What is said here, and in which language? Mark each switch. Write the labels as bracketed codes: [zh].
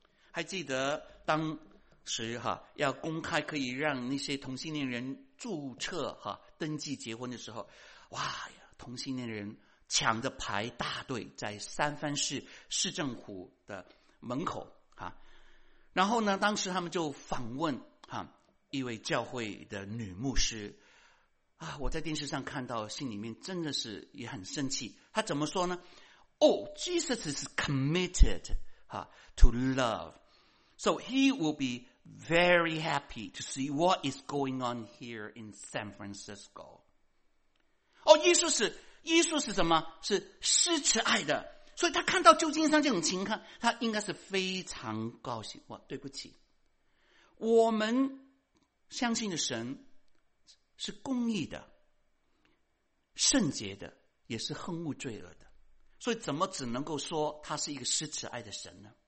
[zh] 还记得当时哈，要公开可以让那些同性恋人注册哈，登记结婚的时候，哇呀，同性恋人抢着排大队在三藩市市政府的门口哈。然后呢当时他们就访问哈一位教会的女牧师啊，我在电视上看到，心里面真的是也很生气。他怎么说呢？ [en] Jesus is committed to love. So he will be very happy to see what is going on here in San Francisco. [zh] 耶稣是什么？是施慈爱的。所以他看到旧金山这种情况，他应该是非常高兴。哇，对不起。我们相信的神是公义的，圣洁的，也是恨恶罪恶的，所以怎么只能够说他是一个施慈爱的神呢？